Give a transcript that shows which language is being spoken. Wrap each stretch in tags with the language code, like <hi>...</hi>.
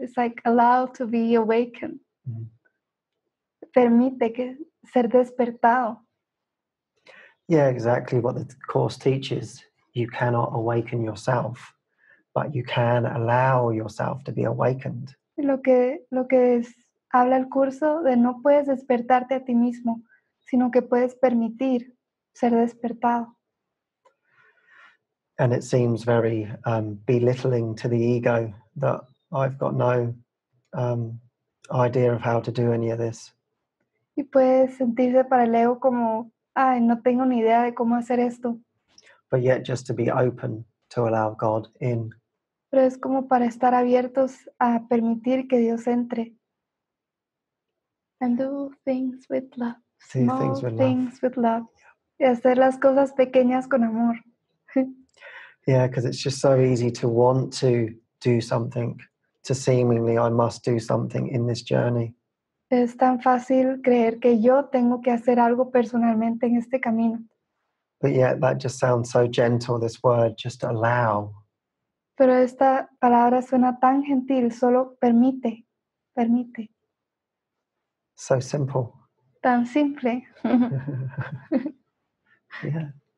<en>It's like allow to be awakened. Mm.</en> <es>Permite que ser despertado.</es> <en>Yeah, exactly what the course teaches. You cannot awaken yourself. But you can allow yourself to be awakened.</en> <es>Lo que es, habla el curso de no puedes despertarte a ti mismo, sino que puedes permitir ser despertado.</es> <en>And it seems very belittling to the ego that I've got no idea of how to do any of this.</en> <es>Y puedes sentirse para el ego como, ay, no tengo ni idea de cómo hacer esto.</es> <en>But yet just to be open to allow God in.</en> <es>Pero es como para estar abiertos a permitir que Dios entre.</es> <en>And do things with love. See small things with things love. With love.</en> <es>Yeah. Y hacer las cosas pequeñas con amor.</es> <en>Yeah, because it's just so easy to want to do something, to seemingly I must do something in this journey.</en> <es>Es tan fácil creer que yo tengo que hacer algo personalmente en este camino.</es> <en>But yeah, that just sounds so gentle, this word, just allow.</en> <es>Pero esta palabra suena tan gentil, solo permite, permite.</es> <en>So simple.</en> <es>Tan simple.</es> <en>Yeah.</en>